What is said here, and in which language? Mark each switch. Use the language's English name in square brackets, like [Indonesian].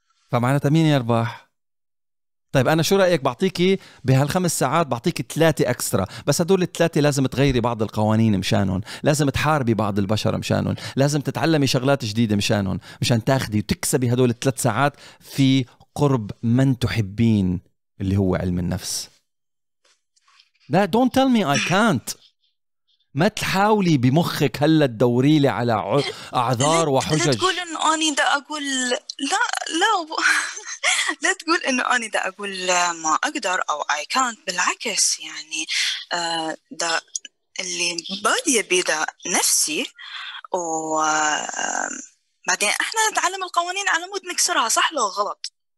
[Arabic] فمعناتها مين يربح؟ طيب أنا شو رأيك بعطيكي بهالخمس ساعات بعطيكي 3 أكسترا، بس هدول 3 لازم تغيري بعض القوانين مشانهم، لازم تحاربي بعض البشر مشانهم، لازم تتعلمي شغلات جديدة مشانهم، مشان تاخدي وتكسبي هدول 3 ساعات في قرب من تحبين اللي هو علم النفس. [English] لا don't tell me I can't. [Arabic] ما تحاولي بمخك هلا تدوري لي على أعذار وحجج. لا تقول إنه أنا دا أقول لا لا لا تقول إنه أنا دا أقول ما أقدر أو [English] I can't. [Arabic] بالعكس يعني دا اللي بادية بدا نفسي، وبعدين إحنا نتعلم القوانين على مود نكسرها صح لو غلط.